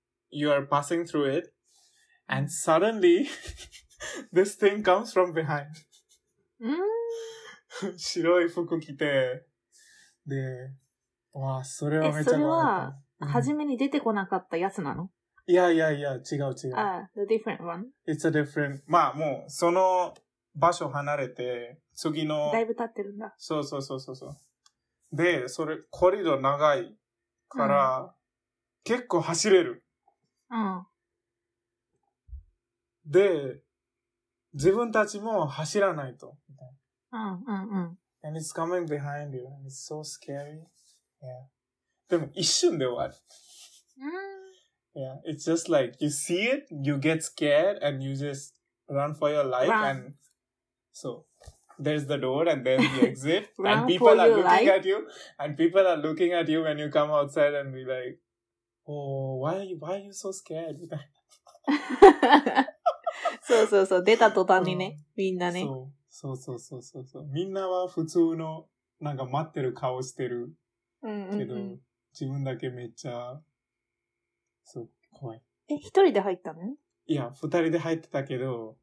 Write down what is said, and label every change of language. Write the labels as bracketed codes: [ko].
[en] you are passing through it, and suddenly, this thing comes from behind. [ja] 白い服着て、で、わあ、それはめちゃ怖かった。はじめに出てこなかったやつなの？いやいやいや、違う違う。あ、 [en] the different one? It's a different, [ja] まあもう、その場所離れて、次の。だいぶ経ってるんだ。そうそうそうそう。で、それ、コリドー長いから、うん、結構走れる。うん。で、自分たちも走らないと。うんうんうん。 [en] And it's coming behind you, and it's so scary. Yeah. [ja] でも一瞬で終わる。 Mm. [en] Yeah, it's just like, you see it, you get scared, and you just run for your life, and so, there's the door, and there's the exit, and people are looking at you, and people are looking at you when you come outside and be like, oh, why are you so scared? [ja] そうそうそう、出た途端にね、みんなね。そうそうそうそうそう。みんなは普通の、なんか待ってる顔してる。けど、うんうんうん、自分だけめっちゃ、そう、怖い。え、一人で入ったの？いや、二人で入ってたけど、